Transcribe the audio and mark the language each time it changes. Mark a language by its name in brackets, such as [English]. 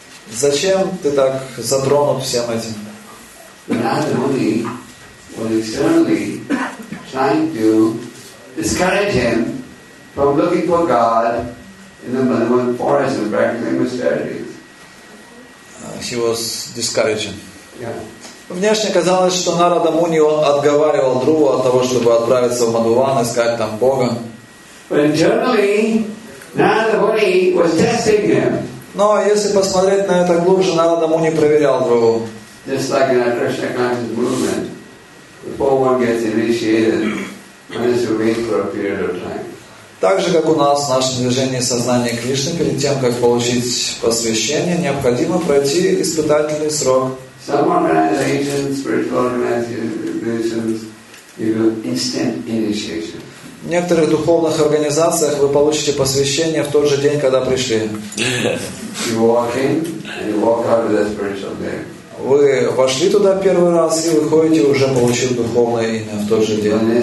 [Russian] Зачем ты так затронут всем этим? [English] Was externally trying to discourage him from looking for God in the Madhavan forest and practicing austerities. He was discouraging. Yeah. [Russian] Внешне казалось, что Нарада Муни отговаривал Друу от того, чтобы отправиться в Мадхуван искать там Бога. [English] But internally, Нарада Муни was testing him. [Russian] Но если посмотреть на это глубже, Нарада Муни проверял Друу. [English] Just like in a Krishna conscious movement. Before one gets initiated, one has to wait for a period of time. [Russian] Так же, как у нас, в нашем движении сознания Кришны, перед тем, как получить посвящение, необходимо пройти испытательный срок. [English] Some organizations, spiritual organizations, give instant initiation. [Russian] В некоторых духовных организациях вы получите посвящение в тот же день, когда пришли. [English] You walk in and you walk out of that spiritual name. [Russian] Вы вошли туда первый раз и выходите, уже получив духовное имя в тот же день.